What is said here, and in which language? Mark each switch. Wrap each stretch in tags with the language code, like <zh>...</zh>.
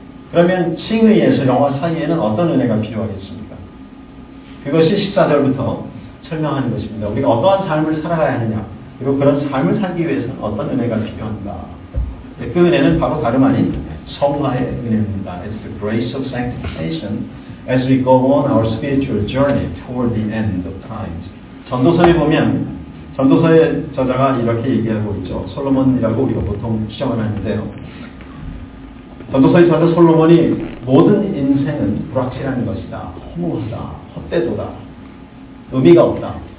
<ko>그러면 칭의에서 영화 사이에는 어떤 은혜가 필요하겠습니까? 그것이 14절부터 설명하는 것입니다. 우리가 어떠한 삶을 살아가야 하느냐, 그리고 그런 삶을 살기 위해서는 어떤 은혜가 필요한가. 그 은혜는 바로 다름 아닌 성화의 은혜입니다.</ko> <en>It's the grace of sanctification as we go on our spiritual journey toward the end of times.</en> <ko>전도서에 보면 전도서의 저자가 이렇게 얘기하고 있죠. 솔로몬이라고 우리가 보통 추정을 하는데요. 전도서의 저자 솔로몬이 모든 인생은 불확실한 것이다. 허무하다. 헛되도다. 의미가 없다.</ko>